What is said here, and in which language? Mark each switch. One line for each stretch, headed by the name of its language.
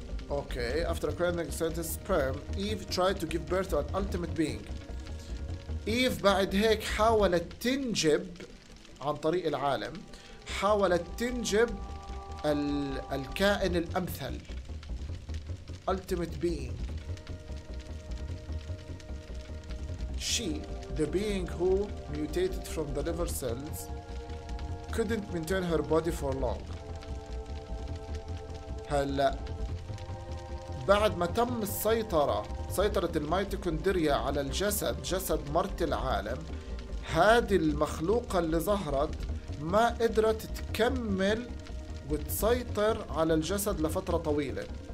English: Okay, after a cryogenic synthesis sperm, Eve tried to give birth to an ultimate being.
Arabic: Eve بعد هيك حاولت تنجب عن طريق العالم. حاولت تنجب الكائن الأمثل.
English: Ultimate being. she, the being who mutated from the liver cells, couldn't maintain her body for long.
Arabic: هلا بعد ما تم السيطرة سيطرة الميتوكوندريا على الجسد جسد مرت العالم، هذه المخلوقة اللي ظهرت ما قدرت تكمل وتسيطر على الجسد لفترة طويلة.